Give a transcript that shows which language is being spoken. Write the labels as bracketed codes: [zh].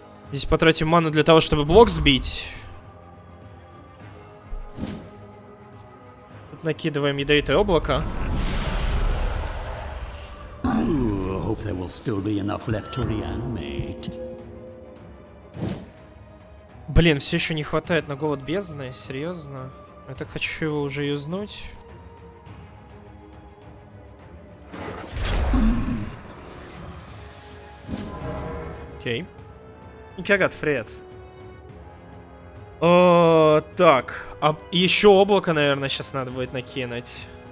[ru] Здесь потратим ману для того, чтобы блок сбить. Накидываем ядовитое облако. [en] Hope there will still be enough left to reanimate. [ru] Блин, все еще не хватает на голод бездны, серьезно. Я так хочу его уже юзнуть. Окей. Никогда, Фред. Так, а еще облако, наверное, сейчас надо будет накинуть.